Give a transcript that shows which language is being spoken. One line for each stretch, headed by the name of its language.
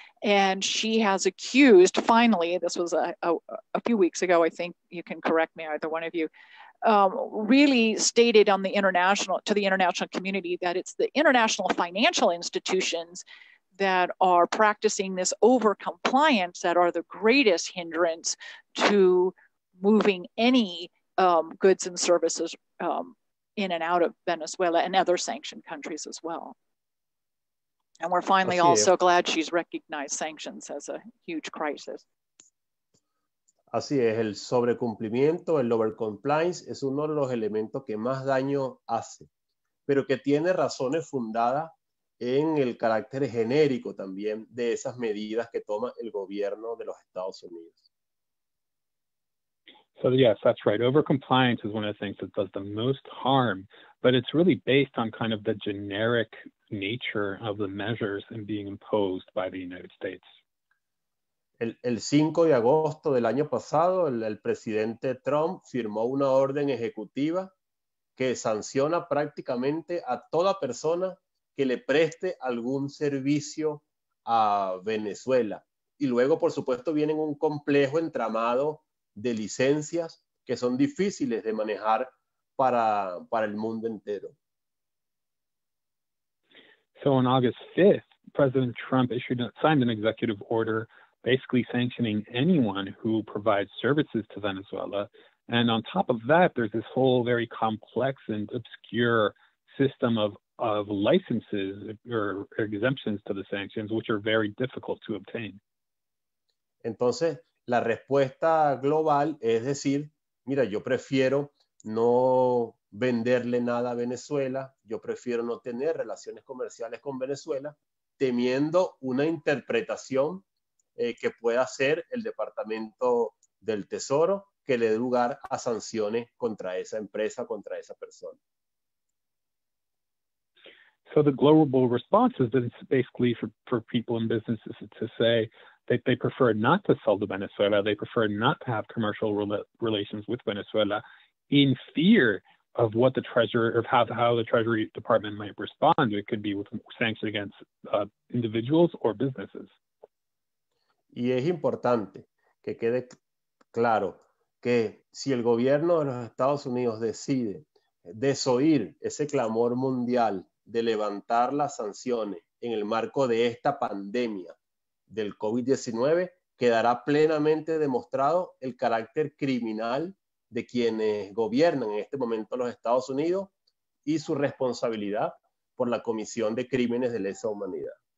English: And she has accused, finally, this was a few weeks ago, I think you can correct me, either one of you, really stated on the international, to the international community, that it's the international financial institutions that are practicing this over compliance that are the greatest hindrance to moving any goods and services in and out of Venezuela and other sanctioned countries as well. And we're finally also glad she's recognized sanctions as a huge crisis.
Spanish: Así es, el sobrecumplimiento, el overcompliance, es uno de los elementos que más daño hace, pero que tiene razones fundadas en el carácter genérico también de esas medidas que toma el gobierno de los Estados Unidos.
English: So yes, that's right. Overcompliance is one of the things that does the most harm, but it's really based on kind of the generic nature of the measures and being imposed by the United States.
Spanish: El 5 de agosto del año pasado, el presidente Trump firmó una orden ejecutiva que sanciona prácticamente a toda persona que le preste algún servicio a Venezuela. Y luego, por supuesto, vienen un complejo entramado de licencias que son difíciles de manejar para el mundo entero.
English: So on August 5th, President Trump signed an executive order basically sanctioning anyone who provides services to Venezuela. And on top of that, there's this whole very complex and obscure system of licenses or exemptions to the sanctions, which are very difficult to obtain.
Spanish: Entonces, la respuesta global es decir, mira, yo prefiero no venderle nada a Venezuela, yo prefiero no tener relaciones comerciales con Venezuela, temiendo una interpretación que pueda hacer el Departamento del Tesoro que le dé lugar a sanciones contra esa empresa, contra esa persona.
English: So the global response is that it's basically for people and businesses to say that they prefer not to sell to Venezuela, they prefer not to have commercial relations with Venezuela in fear of what the Treasury, or how the Treasury Department might respond. It could be with sanctions against individuals or businesses.
Spanish: Y es importante que quede claro que si el gobierno de los Estados Unidos decide desoír ese clamor mundial de levantar las sanciones en el marco de esta pandemia del COVID-19, quedará plenamente demostrado el carácter criminal de quienes gobiernan en este momento los Estados Unidos y su responsabilidad por la Comisión de Crímenes de Lesa Humanidad.